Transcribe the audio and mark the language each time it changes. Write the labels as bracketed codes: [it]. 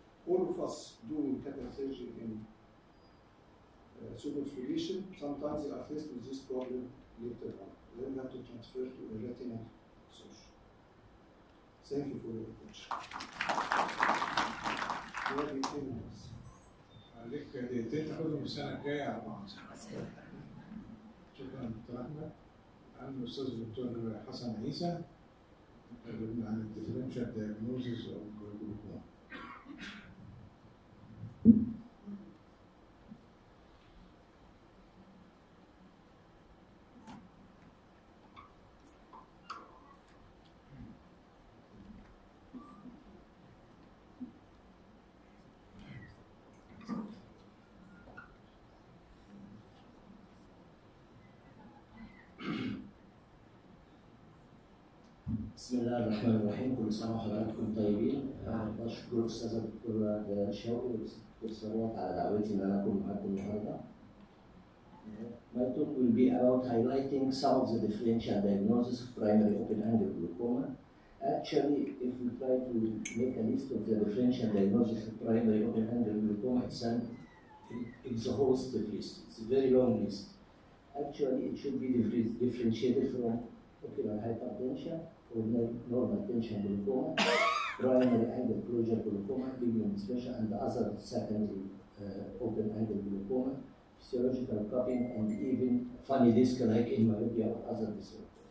[en] All of us doing capsular surgery in pseudoscoliation, sometimes they are faced with this problem later on. Then we have to transfer to a retina surgery. Thank you for your attention. Very famous. [ar] عليك دقيقتين تاخد السنة الجاية 4 سنين. شكرا دكتور أحمد. أنا الأستاذ الدكتور حسن عيسى. تكلمنا عن [en] الديفرنشال دايجنوزيس [ar] أو الجلوكوما. بسم الله الرحمن الرحيم. كل سنة وحضراتكم طيبين. أشكر أستاذ الدكتور شوقي والدكتور صلوات على دعوتي أن أنا أكون معكم النهارده. [en] My talk will be about highlighting some of the differential diagnosis of primary open-angle glaucoma. Actually, if we try to make a list of the differential diagnosis of primary open-angle glaucoma, it's an exhaustive list. It's a very long list. Actually, it should be differentiated from ocular hypertension, normal tension glaucoma, primary angle closure glaucoma, medium dysplasia, and other secondary open angle glaucoma, physiological cupping, and even funny disc like in myopia or other disorders.